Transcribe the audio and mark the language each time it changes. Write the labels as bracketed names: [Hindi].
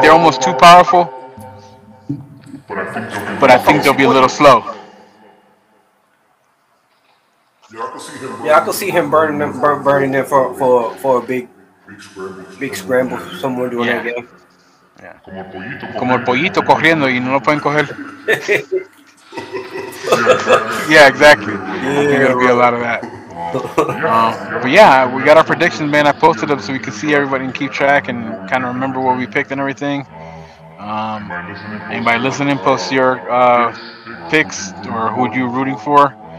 [English] They're almost too powerful. But I think they'll be a little slow. Yeah, I could see him burning them for a big scramble somewhere during that game. Yeah. [Spanish] Como el pollito corriendo y no lo pueden coger. [English] Yeah, exactly. There's going to be a lot of that. But yeah, we got our predictions, man. I posted them so we can see everybody and keep track and kind of remember what we picked and everything. Anybody listening, post your picks or who you're rooting for.